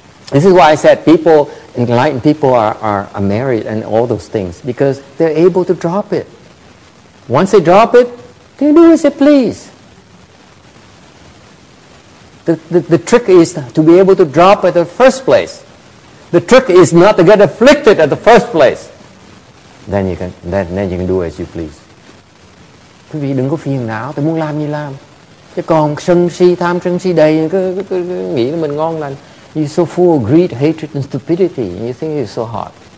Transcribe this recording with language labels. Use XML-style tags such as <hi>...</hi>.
<en>This is why I said people, enlightened people are married and all those things, because they're able to drop it. Once they drop it, they do as they please. The trick is to be able to drop at the first place. The trick is not to get afflicted at the first place. Then you can do as you please.</en> <vi>Quý vị đừng có phiền não, tôi muốn làm gì làm. Chứ còn sân si, tham sân si đầy, cứ nghĩ là mình ngon lành.</vi> <en>You're so full of greed, hatred and stupidity, and you think you're so hot.</en>